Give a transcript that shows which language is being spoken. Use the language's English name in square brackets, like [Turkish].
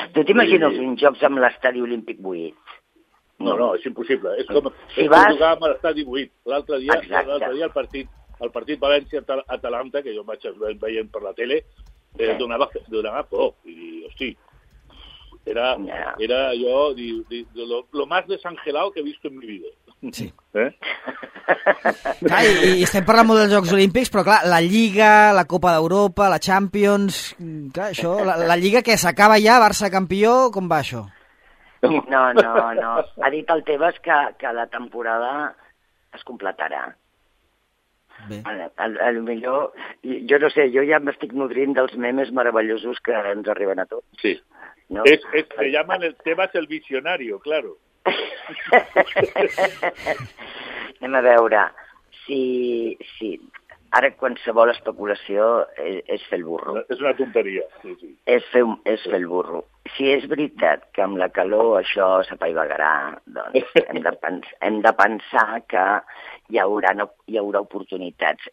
[Catalan] Tu t'imagines uns jocs amb l'estadi olímpic buit? No, és impossible. És com si vas... jugar amb l'estadi buit. L'altre dia el partit València-Atalanta, que jo vaig veient per la tele, donava por. I dic, hosti, era jo, [Spanish] lo más desangelado que he visto en mi vida. [Catalan] Sí. Clar, i estem parlant molt dels Jocs Olímpics, però clar, la Lliga, la Copa d'Europa, la Champions, clar, això, la Lliga que s'acaba ja, Barça campió, com va això? No. Ha dit el Tebas que la temporada es completarà. Bé. A lo millor, jo no sé, jo ja m'estic nodrint dels memes meravellosos que ens arriben a tots. Sí. No? [Spanish] Se llaman el Tebas el visionario, claro. [Catalan] Anem a veure si ara qualsevol especulació és fer el burro. És una tonteria. Sí, sí. És fer el burro. Si és veritat que amb la calor això s'apaivagarà, doncs hem de pensar que hi haurà oportunitats.